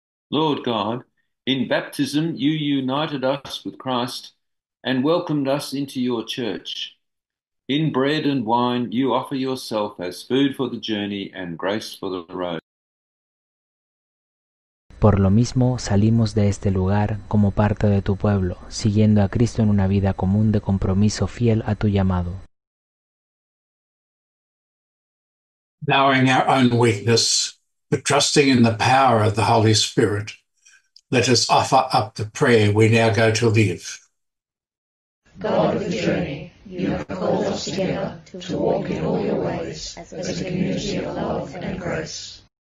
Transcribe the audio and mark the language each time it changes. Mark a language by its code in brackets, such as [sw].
[en] Lord God, in baptism you united us with Christ and welcomed us into your church. In bread and wine you offer yourself as food for the journey and grace for the road. [es] Por lo mismo salimos de este lugar como parte de tu pueblo, siguiendo a Cristo en una vida común de compromiso fiel a tu llamado. [en] Knowing our own weakness, but trusting in the power of the Holy Spirit, let us offer up the prayer we now go to live. God of the journey, you have called us together to walk in all your ways as a community of love and grace.